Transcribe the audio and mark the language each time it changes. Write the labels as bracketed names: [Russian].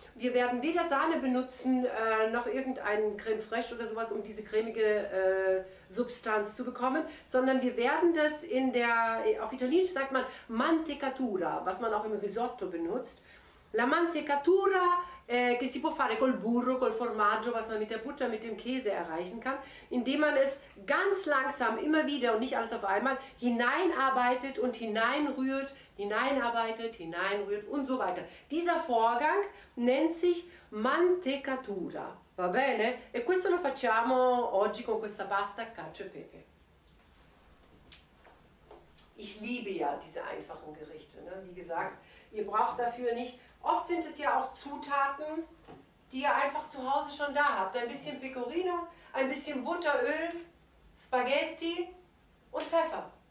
[German] Wir werden weder Sahne benutzen, noch irgendeinen Creme fraiche oder sowas, um diese cremige Substanz zu bekommen, sondern wir werden das in der, auf Italienisch sagt man Mantecatura, was man auch im Risotto benutzt, [Italian] la mantecatura che si può fare col burro, col formaggio, [German] was man mit der Butter, mit dem Käse erreichen kann, indem man es ganz langsam, immer wieder und nicht alles auf einmal, hineinarbeitet und hineinrührt, hineinarbeitet, hineinrührt und so weiter. Dieser Vorgang nennt sich mantecatura. Va bene? [Italian] E questo lo facciamo oggi con questa pasta cacio e pepe. [German] Ich liebe ja diese einfachen Gerichte, ne? Wie gesagt, ihr braucht dafür nicht... Oft sind es ja auch Zutaten, die ihr einfach zu Hause schon da habt. Ein bisschen Pecorino, ein bisschen Butteröl, Spaghetti und Pfeffer.